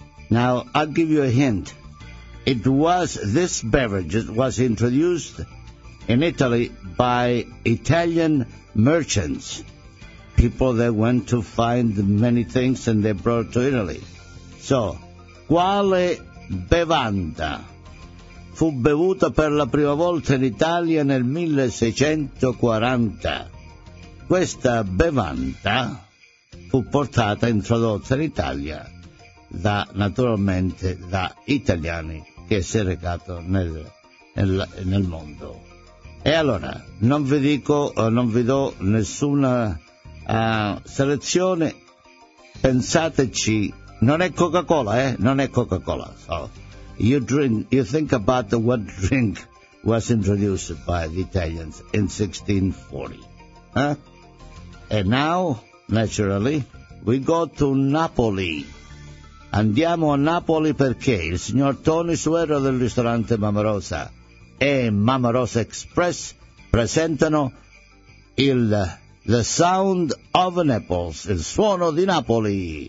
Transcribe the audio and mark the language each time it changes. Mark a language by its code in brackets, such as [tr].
[en] Now, I'll give you a hint. It was this beverage. It was introduced in Italy by Italian merchants, people that went to find many things and they brought to Italy. [it] So, quale bevanda fu bevuta per la prima volta in Italia nel 1640? Questa bevanda fu portata, introdotta in Italia da, naturalmente, da italiani che si è recato nel mondo. E allora, non vi do nessuna selezione, pensateci, non è Coca-Cola, non è Coca-Cola. [en] So, you think about what drink was introduced by the Italians in 1640. And now, naturally, we go to Napoli. [it] Andiamo a Napoli perché il signor Tony Suero del ristorante Mamma Rosa e Mamma Rosa Express presentano the Sound of Naples, il suono di Napoli.